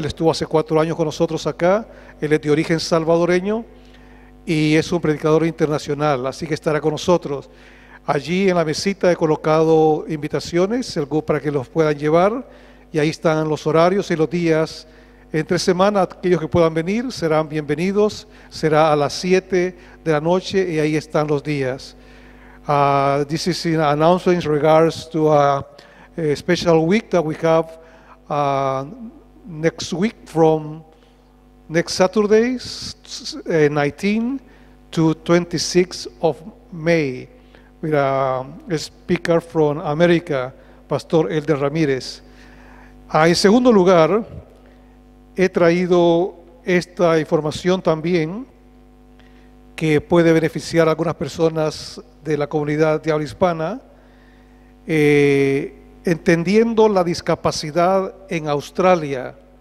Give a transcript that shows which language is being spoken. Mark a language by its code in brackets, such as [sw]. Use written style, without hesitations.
[es] Él estuvo hace 4 años con nosotros acá. Él es de origen salvadoreño y es un predicador internacional, así que estará con nosotros. Allí en la mesita he colocado invitaciones para que los puedan llevar, y ahí están los horarios y los días. Entre semana, aquellos que puedan venir serán bienvenidos. Será a las 7 de la noche y ahí están los días. [en] This is an announcement in regards to a special week that we have next week, from next Saturday, 19 to 26 of May, with a speaker from America, Pastor Elder Ramírez. [es] En segundo lugar, he traído esta información también que puede beneficiar a algunas personas de la comunidad de habla hispana, entendiendo la discapacidad en Australia.